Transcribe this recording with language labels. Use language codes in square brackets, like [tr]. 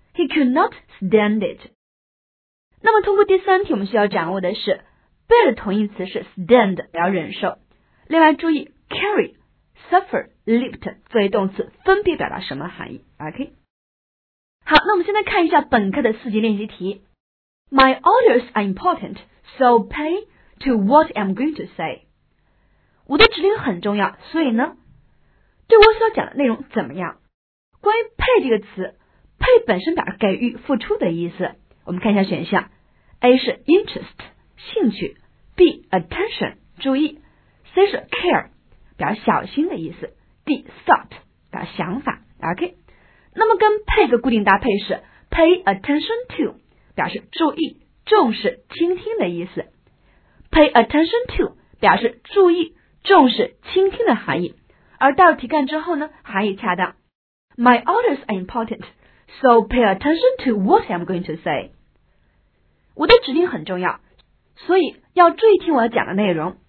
[zh] He could not stand it. 那么通过第三题，我们需要掌握的是 bear 的同义词是 stand, 表忍受。另外注意 carry, suffer, lift 作为动词分别表达什么含义。 OK, 好，那我们现在看一下本课的四级练习题。 [en] My orders are important, so pay to what I'm going to say. [zh] 我的指令很重要，所以呢，对我所讲的内容怎么样？关于 pay 这个词， pay 本身表示给予、付出的意思。我们看一下选项， A 是 interest 兴趣， B attention 注意， C 是 care 表示小心的意思， D thought 表示想法。 OK, 那么跟 pay 的固定搭配是 pay attention to, 表示注意、重视、倾听的意思。 pay attention to 表示注意、重视、倾听的含义，而带入题干之后呢，含义恰当。 [en] My orders are important, so pay attention to what I'm going to say. [zh] 我的指令很重要，所以要注意听我讲的内容。